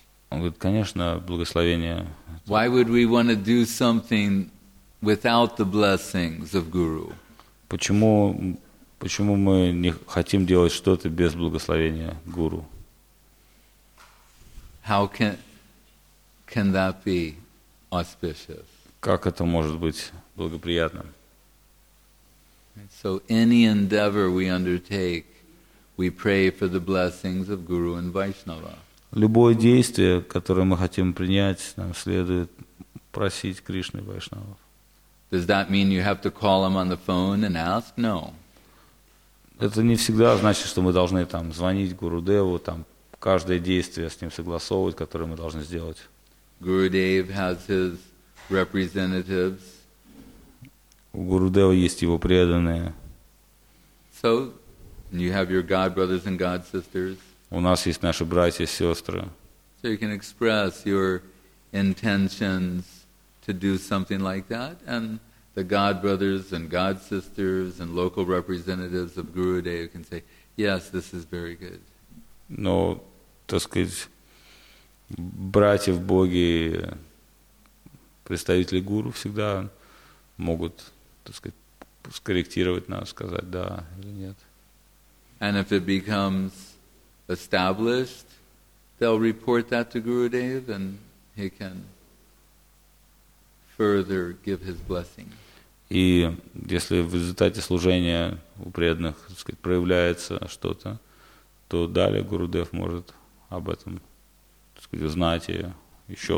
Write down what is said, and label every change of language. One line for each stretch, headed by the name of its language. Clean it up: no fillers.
Russian: Он говорит, конечно, благословение.
English: Why would we want to do something without the blessings of Guru?
Russian: Почему мы не хотим делать что-то без благословения Гуру?
English: How can that be auspicious?
Russian: Как это может быть благоприятным?
English: So any endeavor we undertake, we pray for the blessings of Guru and Vaishnava.
Russian: Любое действие, которое мы хотим принять, нам следует просить Кришны и Вайшнава.
English: Does that mean you have to call him on the phone and ask? No.
Russian: Это не всегда значит, что мы должны там звонить Гурудеву, там каждое действие с ним согласовывать, которое мы должны сделать.
English: Gurudev has his representatives.
Russian: У Гурудева есть его преданные.
English: So, you have your God brothers and God sisters.
Russian: У нас есть наши братья и сестры.
English: So you can express your intentions to do something like that, and the God brothers and God sisters and local representatives of Gurudev can say, yes, this is very good.
Russian: Но, так сказать, братья в Боге, представители Гуру всегда могут скорректировать нас, сказать да или нет.
English: And if it becomes established, they'll report that to Gurudev and he can further give his blessing.
Russian: И если в результате служения у преданных, так сказать, проявляется что-то, то далее Гурудев может об этом, так сказать, узнать и еще